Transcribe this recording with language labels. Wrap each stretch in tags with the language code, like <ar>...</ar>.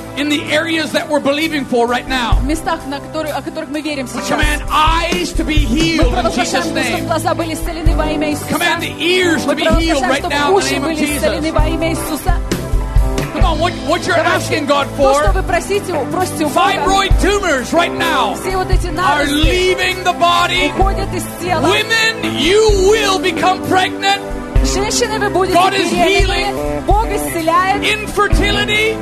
<en>In the areas that we're believing for right now.</en> <ru>В местах, на которые, о которых мы верим сейчас.</ru> <en>We command eyes to be healed in Jesus' name.</en> <ru>Мы провозглашаем, чтобы глаза были исцелены во имя Иисуса.</ru> <en>Command the ears to be healed right now in the name of Jesus. Come on, what you're asking God for?</en> <ru>То, что вы просите, просите у Бога.</ru> <en>Fibroid tumors right now.</en> <ru>Все вот эти наросты.</ru> <en>Are leaving the body.</en> <ru>Уходят из тела.</ru> <en>Women, you will become pregnant.</en> <ru>Женщины, вы будете</ru> <en>God is healing.</en> <ru>Бог исцеляет.</ru> <en>Infertility.</en>